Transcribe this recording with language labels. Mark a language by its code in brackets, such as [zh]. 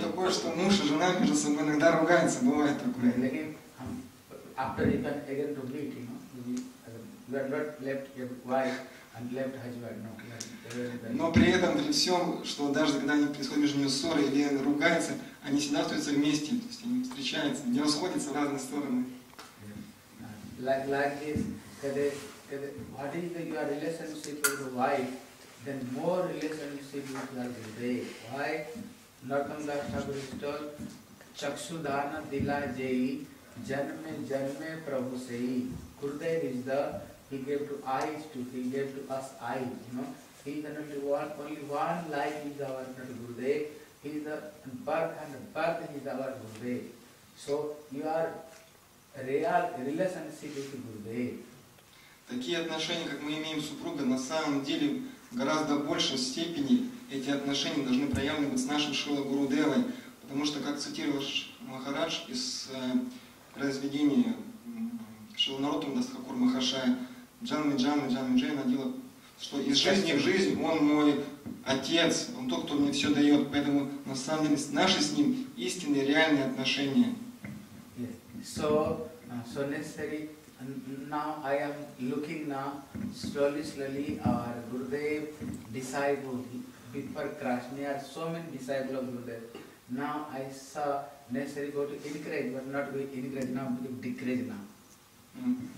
[ru] такое, что муж и жена между собой иногда ругаются, бывает такое. [en] After you can again to meet, you know, you have not left your wife and left husband, no. [ru] Но при этом, при всем, что даже когда происходит между ними ссоры или ругаются, они всегда остаются вместе, то есть они встречаются, не расходятся в разные стороны. [en] Like this, what is your relationship with your wife? Then more relationship with Gurudev. Why? Narottam Das Thakur is told, [bn] Chakshudana Dila Jai, Janme Janme Prabhu Sehi. [en] Gurudev is the, he gave to eyes to, he gave to us eyes, you know. He is the only one life is our Gurudev. He is the birth is our Gurudev. So you are real relationship with Gurudev. [ru] Такие отношения, как мы имеем с супругой, на самом деле, гораздо большей степени эти отношения должны проявлены быть с нашим Шрилой Гурудевой, потому что, как цитировал Махарадж из произведения Шрилы Нароттама Дас Тхакур Махашая, [bn] Джанме Джанме Джанме Джей надела, [ru] что из жизни в жизнь он мой отец, он тот, кто мне все дает, поэтому на самом деле наши с ним истинные, реальные отношения. [en] So necessary. And now I am looking now slowly our Gurudev disciple before Krishna, so many disciples of Gurudev. Now I saw necessary go to increase, but not to increase now, but to decrease now.